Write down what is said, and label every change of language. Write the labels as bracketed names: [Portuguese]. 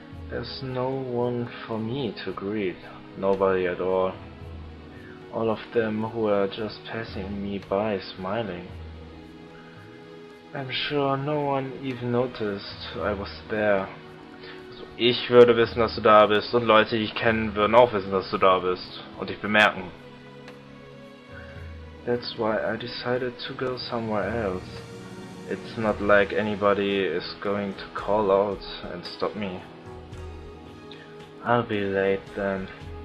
[English] There's no one for me to greet. Nobody at all. All of them who are just passing me by smiling. I'm sure no one even noticed I was there. [German] Also ich würde wissen, dass du da bist und Leute, die ich kenne, würden auch wissen, dass du da bist und dich bemerken. [English] That's why I decided to go somewhere else. It's not like anybody is going to call out and stop me. I'll be late then.